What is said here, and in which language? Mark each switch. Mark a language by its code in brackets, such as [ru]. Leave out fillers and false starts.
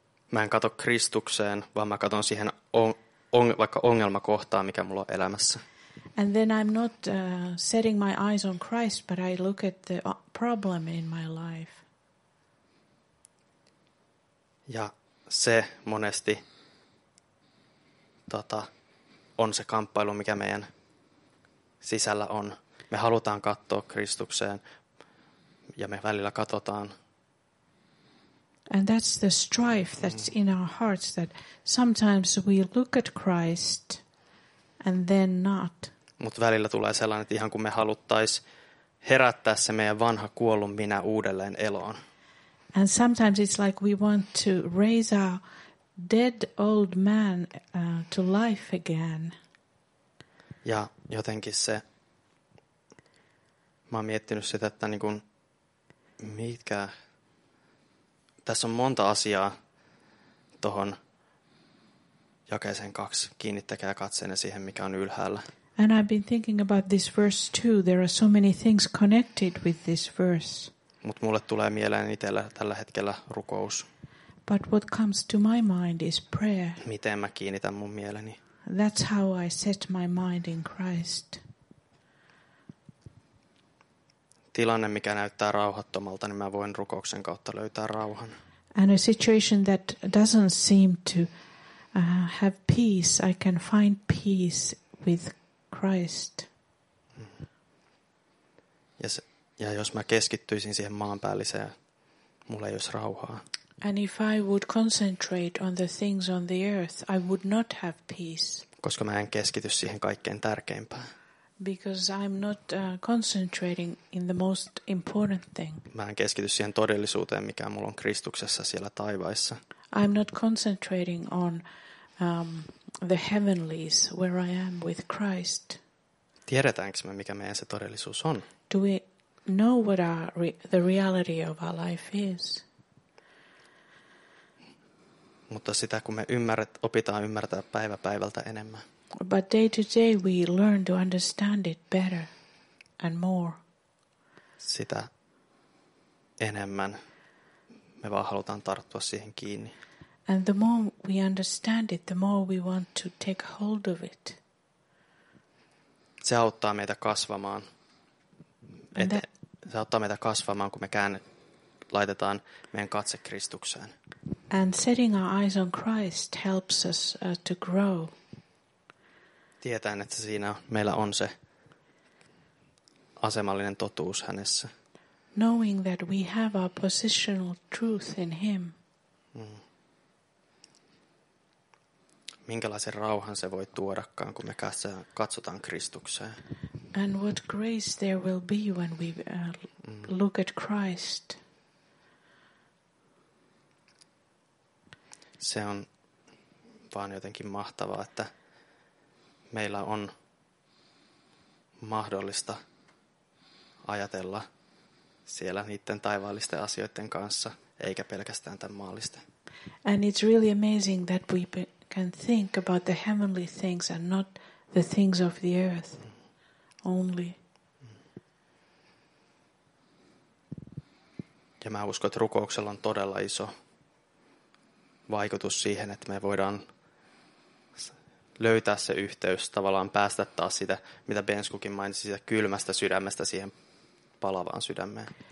[fi] Mä en kato Kristukseen, vaan mä katon siihen vaikka ongelmakohtaan, mikä mulla on elämässä. [en] And then I'm not setting my eyes on Christ, but I look at the problem in my life. [fi] Ja se monesti on se kamppailu, mikä meidän sisällä on. Me halutaan katsoa Kristukseen ja me välillä katsotaan. [en] And that's the strife that's in our hearts, that sometimes we look at Christ and then not. [fi] Mutta välillä tulee sellainen, että ihan kun me haluttaisiin herättää se meidän vanha kuollut minä uudelleen eloon. [en] And sometimes it's like we want to raise our dead old man to life again. [fi] Ja jotenkin se, mä oon miettinyt sitä, että niin kun, mitkä, tässä on monta asiaa tuohon jakeeseen 2, kiinnittäkää katseenne siihen, mikä on ylhäällä. [en] And I've been thinking about this verse too. There are so many things connected with this verse. [fi] Mut mulle tulee mieleen itsellä tällä hetkellä rukous. [en] But what comes to my mind is prayer. [fi] Miten mä kiinnitän mun mieleni? [en] That's how I set my mind in Christ. [fi] Tilanne, mikä näyttää rauhattomalta, niin mä voin rukouksen kautta löytää rauhan. [en] And a situation that doesn't seem to have peace, I can find peace with Christ. [fi] Ja jos mä keskittyisin siihen maanpäälliseen, mulla ei olisi rauhaa. [en] And if I would concentrate on the things on the earth, I would not have peace. [fi] Koska mä en keskity siihen kaikkein tärkeimpään. [en] Because I'm not concentrating in the most important thing. [fi] Mä en keskity siihen todellisuuteen, mikä mulla on Kristuksessa siellä taivaissa. [en] I'm not concentrating on the heavenlies where I am with Christ. [fi] Tiedetäänkö me, mikä meidän se todellisuus on? [en] Do we know what the reality of our life is? [fi] Mutta sitä, kun me opitaan ymmärtää päivä päivältä enemmän. [en] But day to day we learn to understand it better and more. [fi] Sitä enemmän me vaan halutaan tarttua siihen kiinni. [en] And the more we understand it, the more we want to take hold of it. [fi] Se auttaa meitä kasvamaan. Se auttaa meitä kasvamaan, kun me laitetaan meidän katse Kristukseen. [en] And setting our eyes on Christ helps us to grow. [fi] Tietään, että siinä meillä on se asemallinen totuus hänessä. [en] Knowing that we have our positional truth in him. [fi] Minkälaisen rauhan se voi tuodakaan, kun me katsotaan Kristukseen. [en] And what grace there will be when we look at Christ. [fi] Se on vaan jotenkin mahtavaa, että meillä on mahdollista ajatella siellä niiden taivaallisten asioiden kanssa, eikä pelkästään tämän maallisten. [en] And it's really amazing that we can think about the heavenly things and not the things of the earth only. [fi] Ja mä uskon, että rukouksella on todella iso vaikutus siihen, että me voidaan löytää se yhteys, tavallaan päästä taas sitä, mitä Benskukin mainitsi, sitä kylmästä sydämestä siihen palavaan sydämeen.